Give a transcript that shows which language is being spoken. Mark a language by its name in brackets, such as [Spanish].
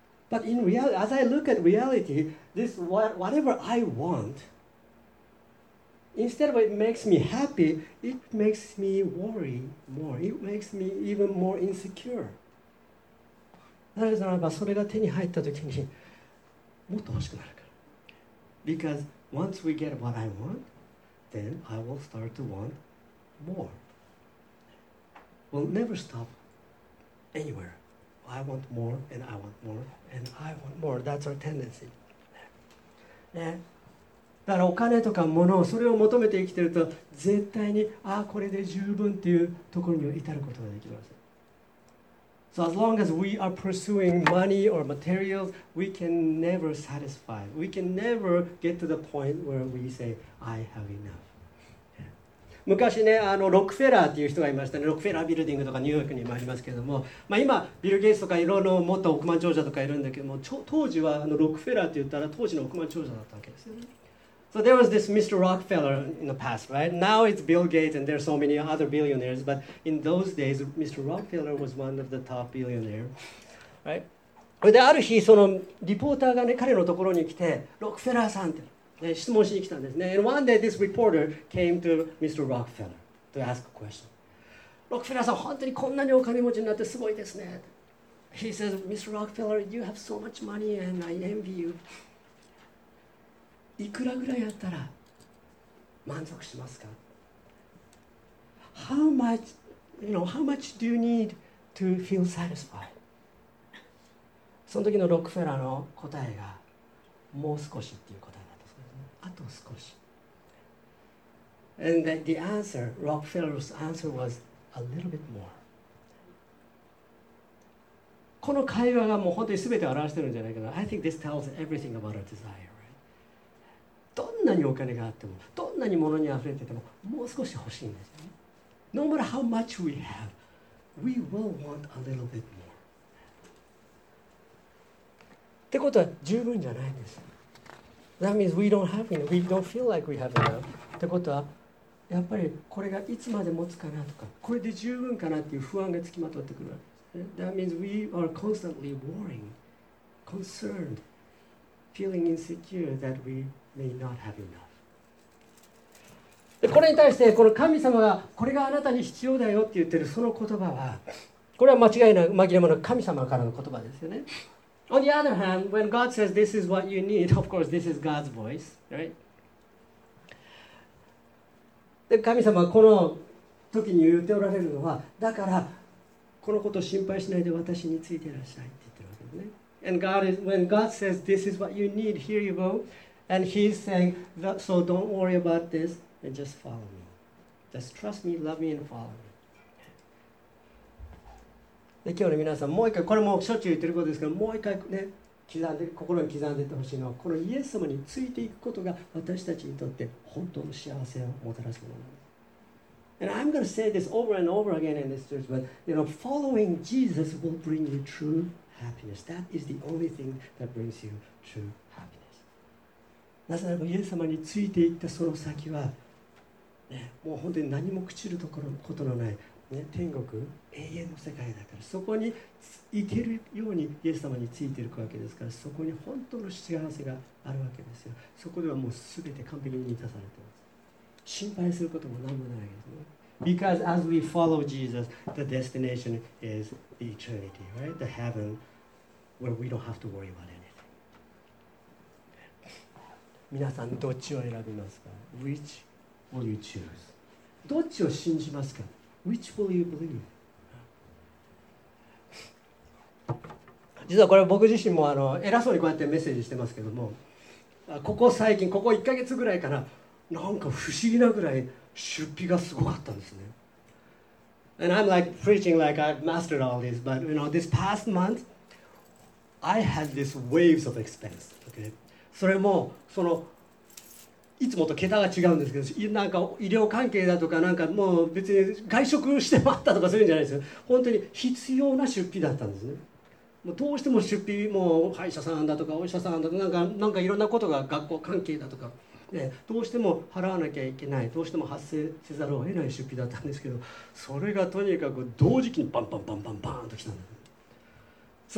[English] But in reality, as I look at reality, this whatever I want, instead of it makes me happy, it makes me worry more. It makes me even more insecure. [Japanese] なぜならばそれが手に入った時にもっと欲しくなるから。 [English] Because once we get what I want,Then I will start to want more. We'll never stop anywhere. I want more and I want more and I want more. That's our tendency. [Japanese] だからお金とか物、それを求めて生きていると、絶対に、ああ、これで十分というところに至ることができません。 [English] So as long as we are pursuing money or materials, we can never satisfy. We can never get to the point where we say, I have enough. [Japanese] 昔ね、あのロックフェラーっていう人がいましたね。ロックフェラービルディングとかニューヨークにもありますけれども、まあ、今ビル・ゲイツとかいろいろ持った億万長者とかいるんだけども、当時はあのロックフェラーって言ったら当時の億万長者だったわけですよね。 [English] So there was this Mr. Rockefeller in the past, right? Now it's Bill Gates and there are so many other billionaires, but in those days, Mr. Rockefeller was one of the top billionaires, right? [Japanese] である日、そのリポーターがね、彼のところに来て、ロックフェラーさんって、ね、質問しに来たんですね。 [English] And one day this reporter came to Mr. Rockefeller to ask a question. [Japanese] ロックフェラーさん、本当にこんなにお金持ちになってすごいですね。 [English] He says, Mr. Rockefeller, you have so much money and I envy you. [Japanese] いくらぐらいあったら満足しますか? [English] How much, you know, how much do you need to feel satisfied? [Japanese] その時のロックフェラーの答えがもう少しっていう答えだったんですね。あと少し。 [English] And the answer, Rockefeller's answer was a little bit more. [Japanese] この会話がもう本当に全てを表してるんじゃないかな。 [English] I think this tells everything about our desire. [Japanese] どんなにお金があっても、どんなに物にあふれてても、もう少し欲しいんですよね。 [English] No matter how much we have, we will want a little bit more. [Japanese] ってことは十分じゃないんです。 [English] That means we don't have enough. We don't feel like we have enough. [Japanese] ってことは、やっぱりこれがいつまで持つかなとか、これで十分かなっていう不安がつきまとってくるわけです。 [English] That means we are constantly worrying, concerned, feeling insecure that we... May not have enough. [Japanese] これに対してこの神様がこれがあなたに必要だよって言ってるその言葉はこれは間違いない紛れもなく神様からの言葉ですよね。 [English] On the other hand, when God says this is what you need, of course this is God's voice, right? [Japanese] で神様はこの時に言っておられるのはだからこのことを心配しないで私についていらっしゃいって言ってるわけですね。 [English] And God is, when God says this is what you need, here you go. And he's saying, so don't worry about this, and just follow me. Just trust me, love me, and follow me. [Japanese] で今日の皆さん、もう一回、これもしょっちゅう言ってることですけど、もう一回ね、刻んで、心に刻んでいってほしいのは、このイエス様についていくことが私たちにとって本当の幸せをもたらすものなんです。 [English] And I'm going to say this over and over again in this church, but you know, following Jesus will bring you true happiness. That is the only thing that brings you true happiness. [Japanese] なぜならばイエス様についていったその先は、ね、もう本当に何も朽ちることのない、ね、天国永遠の世界だからそこに行けるようにイエス様についていくわけですからそこに本当の幸せがあるわけですよ。そこではもう全て完璧に満たされています。心配することも何もないですね。 [English] Because as we follow Jesus, the destination is the eternity, right? The heaven where we don't have to worry about it. [Japanese] 皆さんどっちを選びますか? [English] Which will you choose? [Japanese] どっちを信じますか? [English] Which will you believe? [Japanese] 実はこれ僕自身もあの偉そうにこうやってメッセージしてますけどもここ最近ここ1ヶ月ぐらいかななんか不思議なぐらい出費がすごかったんですね。 [English] And I'm like preaching like I've mastered all this but you know this past month I had this waves of expense okay? [Japanese] それもそのいつもと桁が違うんですけど、なんか医療関係だとかなんかもう別に外食してもらったとかそういうんじゃないですよ。本当に必要な出費だったんですね。もうどうしても出費もう歯医者さんだとかお医者さんだとかなんかいろんなことが学校関係だとかでどうしても払わなきゃいけない、どうしても発生せざるを得ない出費だったんですけど、それがとにかく同時期にバンバンバンバンバンときたんです。